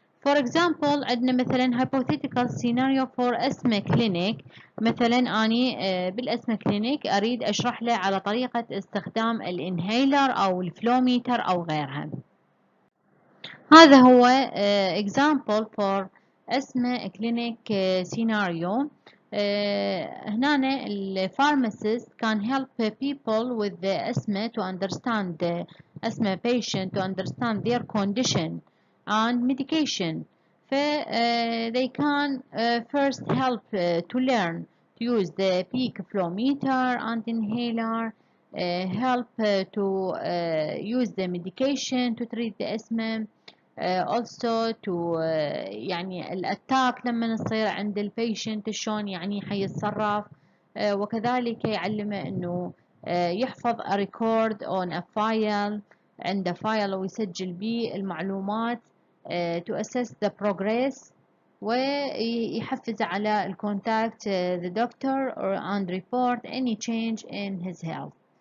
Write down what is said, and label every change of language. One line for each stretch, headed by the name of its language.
English: for example
Arabic: عندنا مثلا
English: Hypothetical scenario for asthma clinic.
Arabic: مثلا اني بالاسما كلينيك اريد اشرح له على طريقة استخدام الانهيلر او الفلوميتر او غيرها. هذا هو
English: Example for asthma clinic scenario. هنا الفارماسيست can help people with the asthma to understand the asthma patient to understand their condition and medication. They can first help to learn to use the peak flow meter and inhaler, help to use the medication to treat the asthma. Also to
Arabic: يعني الاتاك لما نصير عند البيشنت شلون يعني حيتصرف وكذلك يعلمه انه يحفظ
English: record on a file
Arabic: عنده فايل ويسجل بيه المعلومات
English: to assess the progress
Arabic: ويحفز على الكونتاكت
English: the doctor and report any change in his health.